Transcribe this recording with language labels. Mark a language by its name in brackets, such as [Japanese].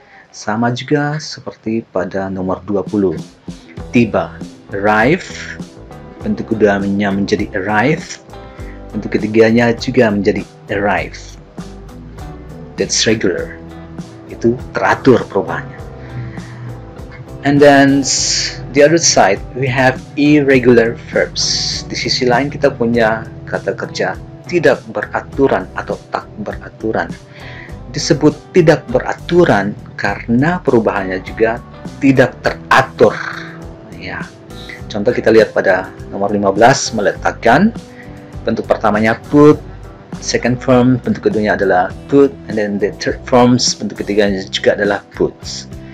[Indonesian] Sama juga seperti pada nomor 20, tiba, arrive. Bentuk keduanya menjadi arrive. Bentuk ketiganya juga menjadi arrive. [English] That's regular. [Indonesian] Itu teratur perubahannya. [English] And then the other side, we have irregular verbs. [Indonesian] Di sisi lain kita punya kata kerja tidak beraturan atau tak beraturan. Disebut tidak beraturan karena perubahannya juga tidak teratur. Ya. Contoh kita lihat pada nomor 15, meletakkan. Bentuk pertamanya put, [English] second form, [Indonesian] bentuk keduanya adalah put, [English] and then the third forms, [Indonesian] bentuk ketiganya juga adalah puts.